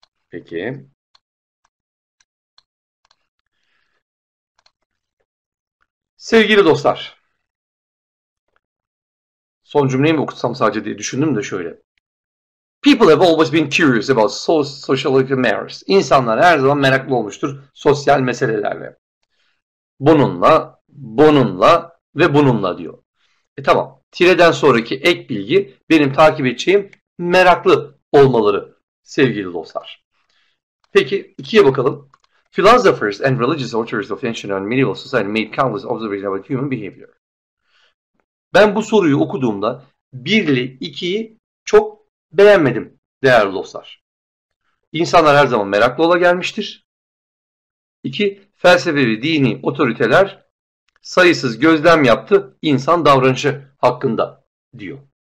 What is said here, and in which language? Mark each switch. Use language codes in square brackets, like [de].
[tr] Peki. Sevgili dostlar. Son cümleyi mi okutsam sadece diye düşündüm de şöyle. [en] People have always been curious about social affairs. [tr] İnsanlar her zaman meraklı olmuştur sosyal meselelerle. Bununla, bununla ve bununla diyor. Tamam. Tire'den sonraki ek bilgi benim takip edeceğim meraklı olmaları sevgili dostlar. Peki ikiye bakalım. [en] Philosophers and religious authors of ancient and medieval society made countless observations about human behavior. [tr] Ben bu soruyu okuduğumda 1 ile 2'yi çok beğenmedim değerli dostlar. İnsanlar her zaman meraklı ola gelmiştir. 2. Felsefe ve dini otoriteler sayısız gözlem yaptı insan davranışı hakkında diyor.